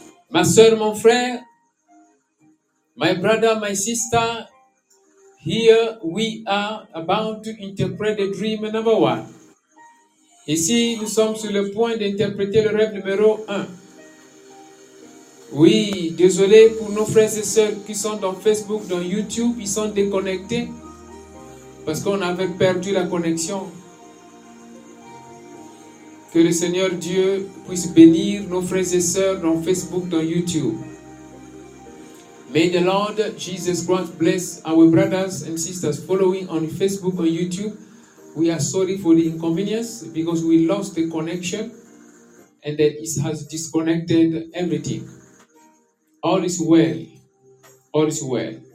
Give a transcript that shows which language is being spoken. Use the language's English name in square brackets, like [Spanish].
[French] Ma soeur, mon frère, [English] my brother, my sister, here we are about to interpret the dream number one. [French] Ici, nous sommes sur le point d'interpréter le rêve numéro un. Oui, désolé pour nos frères et sœurs qui sont dans Facebook, dans YouTube, ils sont déconnectés parce qu'on avait perdu la connexion. Que le Seigneur Dieu puisse bénir nos frères et sœurs dans Facebook, dans YouTube. [English] May the Lord Jesus Christ bless our brothers and sisters following on Facebook and YouTube. We are sorry for the inconvenience because we lost the connection and that it has disconnected everything. All is well. All is well.